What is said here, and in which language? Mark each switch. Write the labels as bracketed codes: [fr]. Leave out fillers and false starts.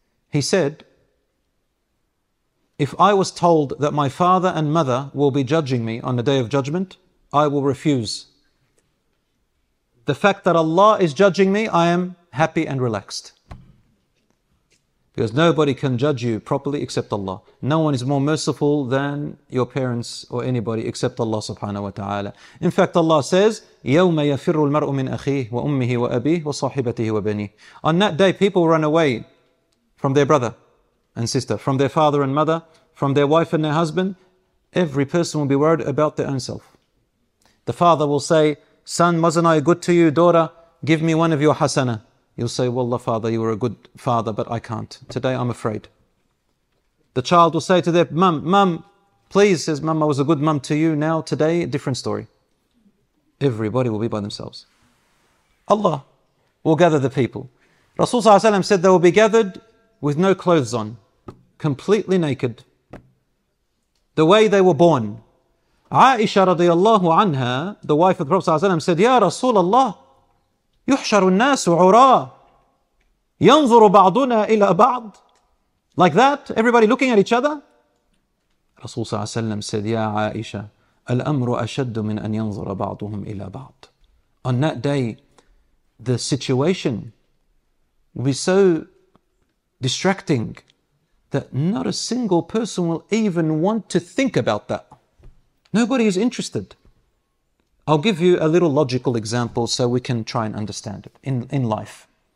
[en] He said, if I was told that my father and mother will be judging me on the Day of Judgment, I will refuse. The fact that Allah is judging me, I am happy and relaxed. Because nobody can judge you properly except Allah. No one is more merciful than your parents or anybody except Allah subhanahu wa ta'ala. In fact, Allah says, [ar] يَوْمَ يَفِرُّ الْمَرْءُ مِنْ أَخِيهِ وَأُمِّهِ وَأَبِيهِ وَصَاحِبَتِهِ وَبَنِيهِ. [en] On that day, people run away from their brother and sister, from their father and mother, from their wife and their husband. Every person will be worried about their own self. The father will say, son, wasn't I good to you? Daughter, give me one of your hasana. You'll say, wallah, father, you were a good father, but I can't. Today, I'm afraid. The child will say to their mum, please, says mum, I was a good mum to you. Now, today, a different story. Everybody will be by themselves. Allah will gather the people. Rasulullah said they will be gathered with no clothes on, completely naked. The way they were born. Aisha radiallahu anha, the wife of the Prophet ﷺ, said, Ya Rasulullah, [ar] يُحْشَرُ النَّاسُ عُرَىٰ يَنْظُرُ بَعْضُنَا إِلَىٰ بَعْضٍ. [en] Like that, everybody looking at each other. Rasulullah ﷺ said, Ya Aisha, [ar] الْأَمْرُ أَشَدُّ مِنْ أَنْ يَنْظُرَ بَعْضُهُمْ إِلَىٰ بَعْضٍ. [en] On that day, the situation will be so distracting that not a single person will even want to think about that. Nobody is interested. I'll give you a little logical example so we can try and understand it in life.